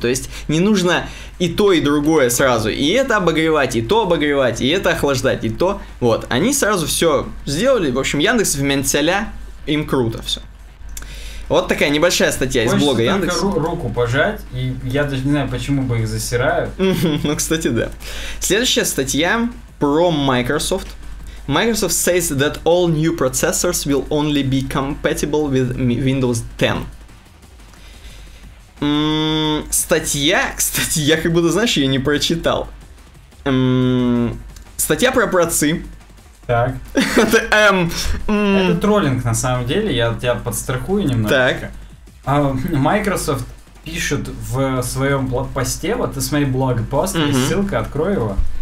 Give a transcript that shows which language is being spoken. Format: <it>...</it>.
<ru>То есть не нужно и то, и другое сразу. И это обогревать, и то обогревать, и это охлаждать, и то. Вот. Они сразу все сделали. В общем, Яндекс в Мянцяля. Им круто все. Вот такая небольшая статья. Хочется из блога Яндекса. Руку пожать. И я даже не знаю, почему бы их засирают. Ну, кстати, да. Следующая статья про Microsoft.</ru> <en>Microsoft says that all new processors will only be compatible with Windows 10.</en> <ru>Статья, я как будто, знаешь, ее не прочитал. Статья про процессоры. Так. Это троллинг на самом деле, я тебя подстрахую немножко. Так. Microsoft пишет в своем блогпосте, вот из моей блогпоста, есть ссылка, открой его.</ru>